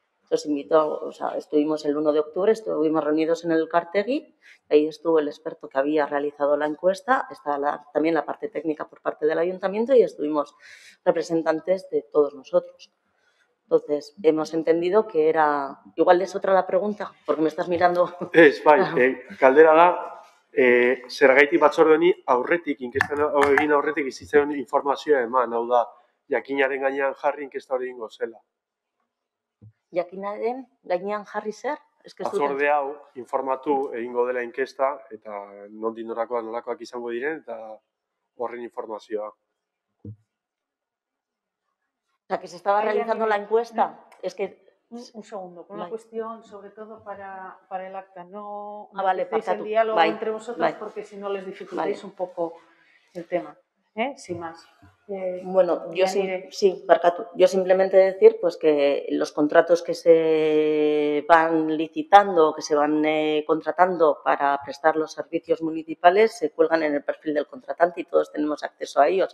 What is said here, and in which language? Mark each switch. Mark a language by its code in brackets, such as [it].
[es] Los invito, o sea, estuvimos el 1 de octubre, estuvimos reunidos en el Cartegui, ahí estuvo el experto que había realizado la encuesta, está también la parte técnica por parte del ayuntamiento y estuvimos representantes de todos nosotros. Entonces, hemos entendido que era... Igual es otra la pregunta, porque me estás mirando... [eu] Es, bai, caldera da, zergaitik batzorde honi aurretik, inkestan egin aurretik izitzen informazioa eman, hau da, jakinaren gainean jarri inkesta hori ingo zela. Jakinaren gainean jarri zer? Batzorde hau informatu egingo dela inkesta, eta nondik nolakoak izango diren, eta horren informazioa. [es] O sea, que se estaba realizando la encuesta, es que... Un segundo, con una cuestión sobre todo para el acta, no empecéis el diálogo entre vosotros porque si no les dificultáis un poco el tema, sin más. Bueno, yo sí, Barcatu, yo simplemente decir pues que los contratos que se van licitando, que se van contratando para prestar los servicios municipales se cuelgan en el perfil del contratante y todos tenemos acceso a ellos.